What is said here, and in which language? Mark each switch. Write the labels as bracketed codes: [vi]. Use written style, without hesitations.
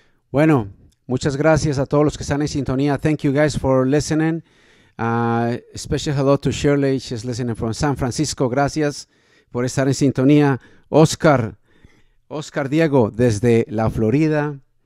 [es] Bueno, muchas gracias a todos los que están en sintonía. [en] Thank you guys for listening. Special hello to Shirley, she's listening from San Francisco. [es] Gracias por estar en sintonía. Oscar Diego desde la Florida.